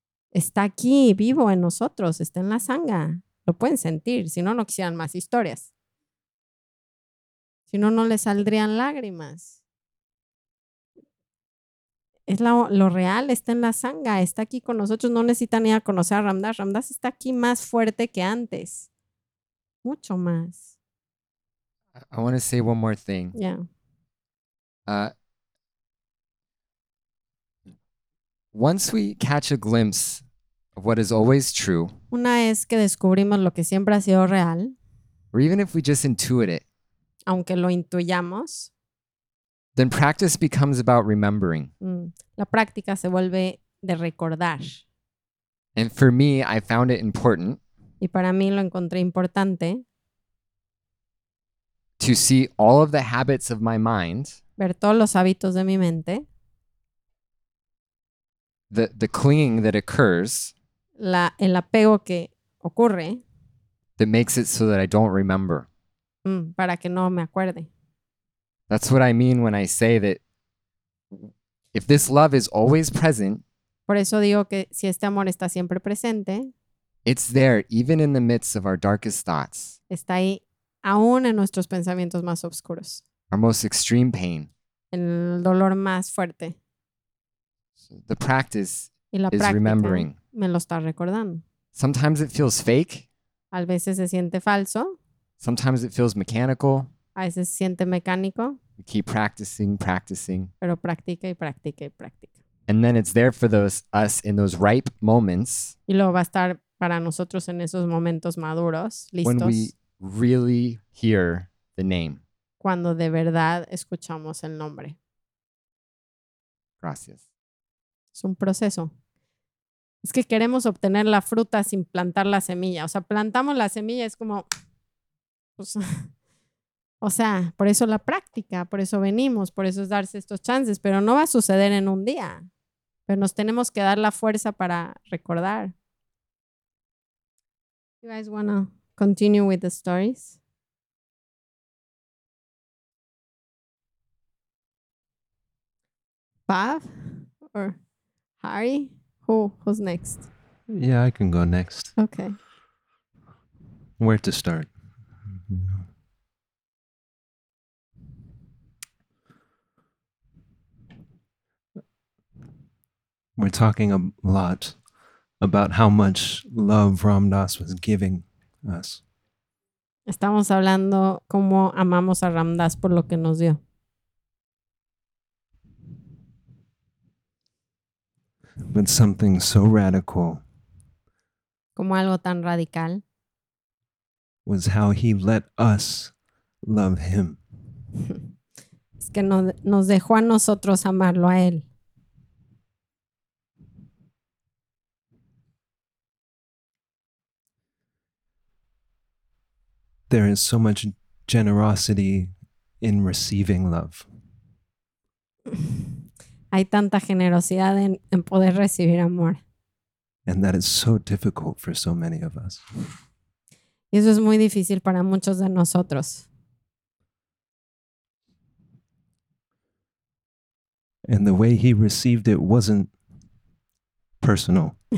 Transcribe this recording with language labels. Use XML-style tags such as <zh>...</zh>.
<es>Está aquí, vivo en nosotros. Está en la Sangha. Lo pueden sentir, si no, no quisieran más historias. Si no, no les saldrían lágrimas. Es lo real, está en la Sangha, está aquí con nosotros. No necesitan ir a conocer a Ram Dass. Ram Dass está aquí más fuerte que antes. Mucho más.</es> <en>I want to say one more thing. Yeah. Once we catch a glimpse of what is always true.</en> <es>Una vez que descubrimos lo que siempre ha sido real.</es> <en>Or even if we just intuit it.</en> <es>Aunque lo intuyamos.</es> <en>Then practice becomes about remembering.</en> <es>La práctica se vuelve de recordar.</es> <en>And for me, I found it important.</en> <es>Y para mí lo encontré importante.</es> <en>To see all of the habits of my mind.</en> <es>Ver todos los hábitos de mi mente.</es> <en>The clinging that occurs.</en> <es>El apego que ocurre.</es> <en>That makes it so that I don't remember.</en> <es>Para que no me acuerde.</es> <en>That's what I mean when I say that if this love is always present.</en> <es>Por eso digo que si este amor está siempre presente.</es> <en>It's there even in the midst of our darkest thoughts.</en> <es>Está ahí aún en nuestros pensamientos más oscuros.</es> <en>Our most extreme pain.</en> <es>El dolor más fuerte.</es> <en>The practice is remembering.</en> <es>Me lo está recordando.</es> <en>Sometimes it feels fake.</en> <es>A veces se siente falso.</es> <en>Sometimes it feels mechanical.</en> <es>A veces se siente mecánico.</es> <en>You keep practicing.</en> <es>Pero practica.</es> <en>And then it's there for us in those ripe moments.</en> <es>Y luego va a estar para nosotros en esos momentos maduros, listos.</es> <en>When we really hear the name.</en> <es>Cuando de verdad escuchamos el nombre. Gracias. Es un proceso. Es que queremos obtener la fruta sin plantar la semilla. O sea, plantamos la semilla, es como... Pues, o sea, por eso la práctica, por eso venimos, por eso es darse estos chances. Pero no va a suceder en un día. Pero nos tenemos que dar la fuerza para recordar.</es> <en>You guys wanna continue with the stories? Bob? Or... Hari? Who's next? Yeah, I can go next. Okay. Where to start? We're talking a lot about how much love Ram Dass was giving us.</en> <es>Estamos hablando cómo amamos a Ram Dass por lo que nos dio.</es> <en>But something so radical.</en> <es>Como algo tan radical.</es> <en>Was how he let us love him.</en> <es>Es que nos dejó a nosotros amarlo a él.</es> <en>there is so much generosity in receiving love.</en> <es>Hay tanta generosidad en poder recibir amor.</es> <en>And that is so difficult for so many of us.</en> <es>Y eso es muy difícil para muchos de nosotros.</es> <en>And the way he received it wasn't personal.</en>